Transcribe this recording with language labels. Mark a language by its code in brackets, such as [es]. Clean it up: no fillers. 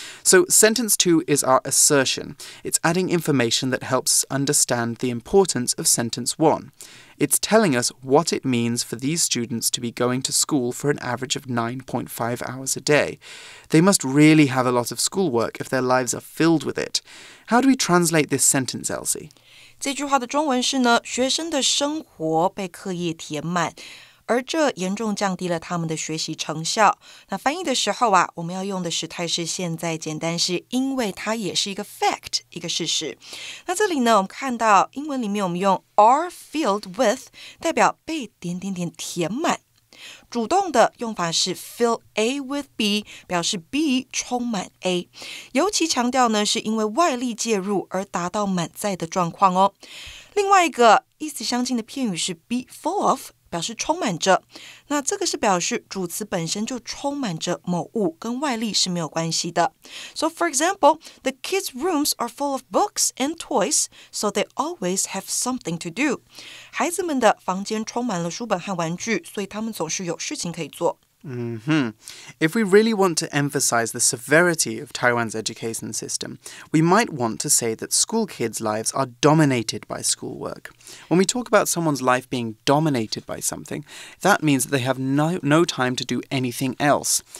[en] So sentence two is our assertion. It's adding information that helps understand the importance of sentence one. It's telling us what it means for these students to be going to school for an average of 9.5 hours a day. They must really have a lot of schoolwork if their lives are filled with it. How do we translate this sentence, Elsie? [zh] 这句话的中文是呢，学生的生活被课业填满，而这严重降低了他们的学习成效。那翻译的时候啊，我们要用的时态是现在简单式，因为它也是一个 fact， 一个事实。那这里呢，我们看到英文里面我们用 [en] are filled with， [zh] 代表被点点点填满。主动的用法是 [en] fill A with B， [zh] 表示 B 充满 A， 尤其强调呢是因为外力介入而达到满载的状况哦。另外一个意思相近的片语是 [en] be full of， [zh] 表示充满着，那这个是表示主词本身就充满着某物，跟外力是没有关系的。 [en] So for example, the kids' rooms are full of books and toys, so they always have something to do. [zh] 孩子们的房间充满了书本和玩具，所以他们总是有事情可以做。 [en] Mm-hmm. If we really want to emphasize the severity of Taiwan's education system, we might want to say that school kids' lives are dominated by schoolwork. When we talk about someone's life being dominated by something, that means that they have no time to do anything else.